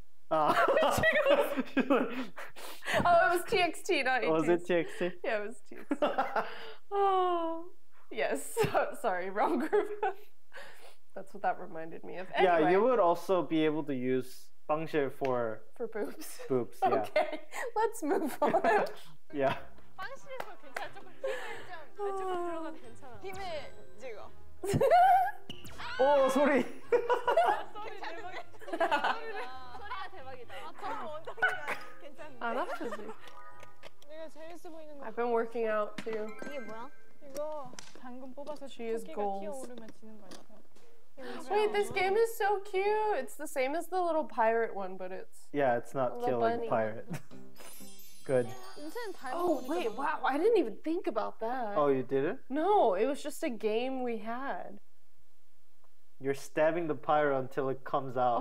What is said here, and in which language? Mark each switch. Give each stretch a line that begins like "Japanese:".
English: Oh, it was TXT, not 80s. Was it TXT? Yeah, it was TXT. Oh, yes. Sorry, wrong group. That's what that reminded me of. Anyway. Yeah, you would also be able to use 빵실 for boobs. Boobs. Yeah. Okay, let's move on. Yeah.
Korean: 빵실에서 괜찮아. 조금 힘을 좀 조금 들어가도 괜찮아. 힘을 찍어. 오 소리. 소리가 대박이다. 괜찮네. 안 아프지? 내가 재밌어 보이는 거.
English: I've been working out too.
Korean: 이게 뭐야? 이거 당근 뽑아서 토끼가 튀어오르면 지는 거 같아.
English: Wait, this game is so cute. It's the same as the little pirate one, but it's... Yeah, it's not killing the pirate. Good. Oh, wait, wow, I didn't even think about that. Oh, you didn't? No, it was just a game we had. You're stabbing the pirate until it comes out.